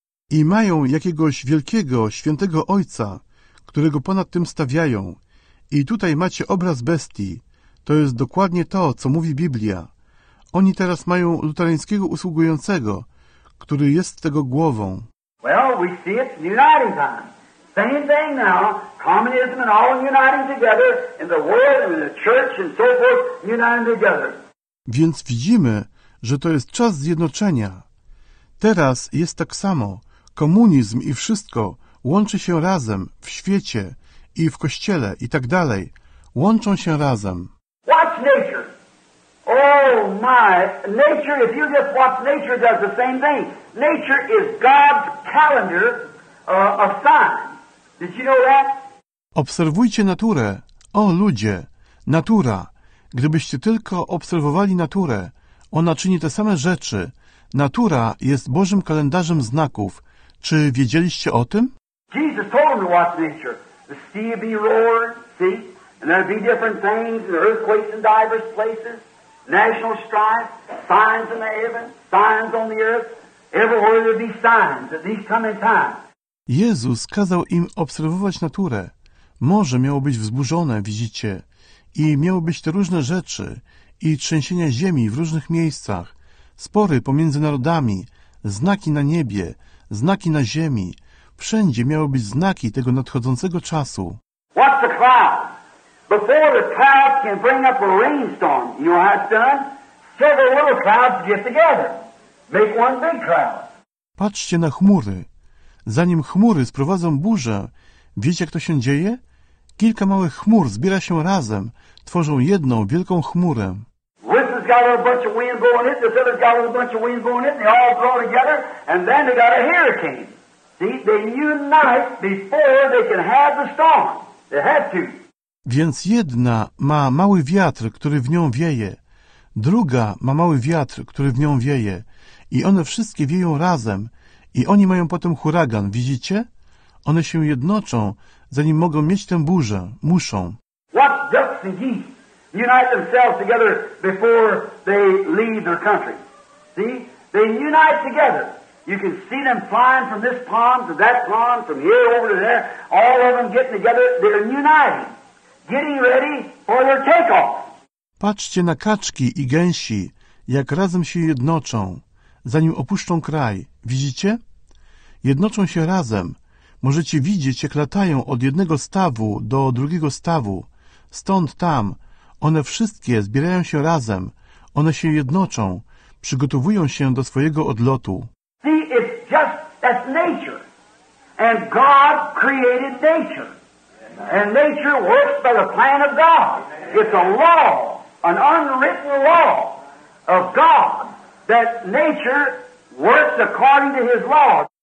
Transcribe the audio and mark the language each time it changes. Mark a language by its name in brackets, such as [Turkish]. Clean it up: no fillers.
[Polish] I mają jakiegoś wielkiego, świętego ojca, którego ponad tym stawiają. I tutaj macie obraz bestii. To jest dokładnie to, co mówi Biblia. Oni teraz mają luterańskiego usługującego, który jest tego głową. [English] Well, we see it in uniting time. Same thing now, communism and all uniting together in the world and in the church and so forth, uniting together. [Polish] Więc widzimy, że to jest czas zjednoczenia. Teraz jest tak samo. Komunizm i wszystko łączy się razem w świecie i w kościele i tak dalej. Łączą się razem. [English] Watch nature. Oh my, nature, if you just watch, nature does the same thing. Nature is God's calendar of signs. Did you know that? [Polish] Obserwujcie naturę. O ludzie, natura. Gdybyście tylko obserwowali naturę, ona czyni te same rzeczy. Natura jest Bożym kalendarzem znaków. Czy wiedzieliście o tym? [English] Jesus told him to watch nature. The sea be roared, see? And there'd be different things, and earthquakes in diverse places, national strife, signs in the heaven, signs on the earth. Everywhere there'd be signs at these coming times. [Polish] Jezus kazał im obserwować naturę. Morze miało być wzburzone, widzicie, i miały być te różne rzeczy, i trzęsienia ziemi w różnych miejscach, spory pomiędzy narodami, znaki na niebie, znaki na ziemi. Wszędzie miały być znaki tego nadchodzącego czasu. [English] What's the cloud? Before the cloud can bring up a rainstorm, you know how it's done? Several little clouds get together. Make one big cloud. [Polish] Patrzcie na chmury. Zanim chmury sprowadzą burzę, wiecie, jak to się dzieje? Kilka małych chmur zbiera się razem, tworzą jedną wielką chmurę. [English] This has got a bunch of wind going in, this other's got a bunch of wind going in, they all blow together, and then they got a hurricane. See, they unite before they can have the storm. They had to. [Polish] Więc jedna ma mały wiatr, który w nią wieje. Druga ma mały wiatr, który w nią wieje. I one wszystkie wieją razem. I oni mają potem huragan, widzicie? One się jednoczą, zanim mogą mieć tę burzę. Muszą. [English] What ducks and geese unite themselves together before they leave their country? See? They unite together. You can see them flying from this pond to that pond, from here over to there. All of them getting together. They're uniting. Getting ready for their takeoff. [Polish] Patrzcie na kaczki i gęsi, jak razem się jednoczą, zanim opuszczą kraj. Widzicie? Jednoczą się razem. Możecie widzieć, jak latają od jednego stawu do drugiego stawu. Stąd tam. One wszystkie zbierają się razem. One się jednoczą. Przygotowują się do swojego odlotu. [English] See, it's just that nature. And God created nature. And nature works by the plan of God. It's a law, an unwritten law of God, that nature works according to his law.